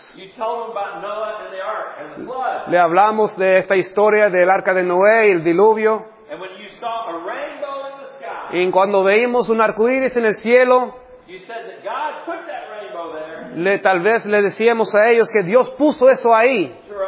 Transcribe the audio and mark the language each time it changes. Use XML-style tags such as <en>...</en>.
<en>you told them about Noah and the ark and the flood.</en> <es>Le hablamos de esta historia del arca de Noé y el diluvio.</es> <en>And when you saw a rainbow in the sky,</en> <es>y cuando veíamos un arco iris en el cielo,</es> <en>you said that God put that rainbow there,</en> <es>tal vez le decíamos a ellos que Dios puso eso ahí.</es>